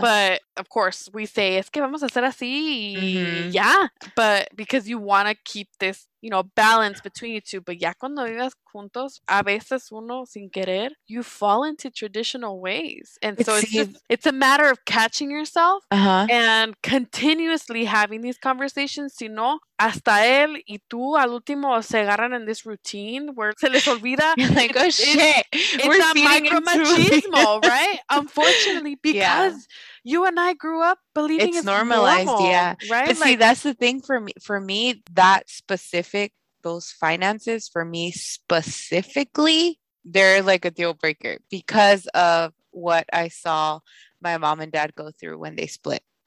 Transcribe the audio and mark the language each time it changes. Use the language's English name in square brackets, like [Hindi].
[English] But of course, we say, [Spanish] es que vamos a hacer así. [English] Mm-hmm. Yeah. But because you want to keep this, you know, balance between you two. [Spanish] But ya cuando vivas juntos, a veces uno sin querer, [English] you fall into traditional ways. And so it's a matter of catching yourself, uh-huh, and continuously having these conversations. [Spanish] Si no, hasta él y tú al último se agarran [English] in this routine where [Spanish] se les olvida. [English] Like, oh, shit. It's a micromachismo, right? Unfortunately, because... Yeah. You and I grew up believing it's normalized, normal, yeah. Right? But like, see, that's the thing for me. For me, that specific, those finances, for me specifically, they're like a deal breaker because of what I saw my mom and dad go through when they split.